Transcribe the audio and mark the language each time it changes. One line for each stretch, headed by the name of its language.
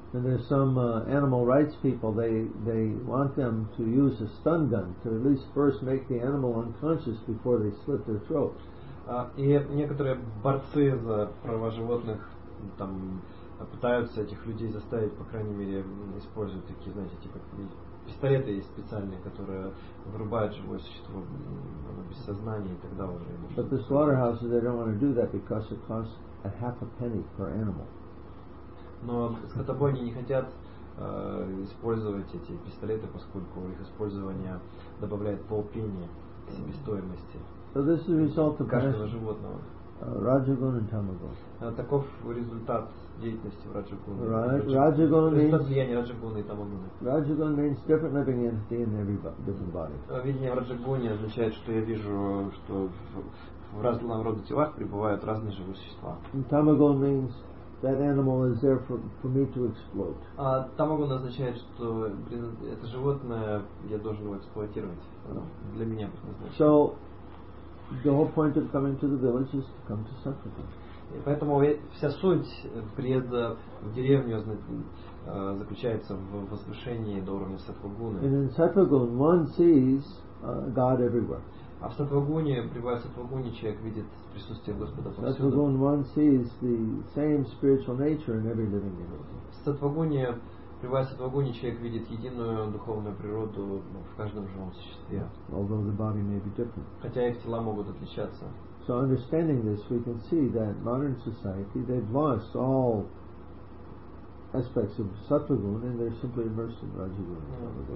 English: And there's some animal rights people, they want them to use a stun gun to at least first make the animal unconscious before they slit their throats.
Russian: И некоторые борцы за права животных там пытаются этих людей заставить, по крайней мере, использовать такие, знаете, типа пистолеты есть специальные, которые вырубают живое существо без сознания, и тогда уже.
English: But the slaughterhouses, they don't want to do that because it costs a half a penny per animal.
Russian: Но скотобойни не хотят использовать эти пистолеты, поскольку их использование добавляет полпенни себестоимости.
English: So this is the result of
Russian: каждого животного.
English: Rajagun and Tamagun.
Russian: Таков результат деятельности в Раджагуне. Раджагун
English: means different living entity in every different body.
Russian: Видение в Раджагуне означает, что я вижу, что в разном роде телах пребывают разные живые существа.
English: Tamagun means that animal is there for me to exploit.
Russian: Tamagun означает, что это животное я должен его эксплуатировать. Для меня предназначено.
English: The whole point of coming to the village is to come to suffer them.
Russian: И поэтому вся суть приезда в деревню заключается в возвышении до уровня сатвагуны.
English: And in Сатвагун one sees God everywhere.
Russian: А в сатвагуне, пребывая в сатвагуне, человек видит присутствие Господа повсюду.
English: Сатвагун one sees the same spiritual nature in every living being.
Russian: В сатвагуне, пребывая в сатвагуне, человек видит единую духовную природу в каждом живом существе.
English: Although the body may be different.
Russian: Хотя их тела могут отличаться.
English: So understanding this, we can see that modern society, they've lost all aspects of sattva-gun and they're simply immersed in raja-gun.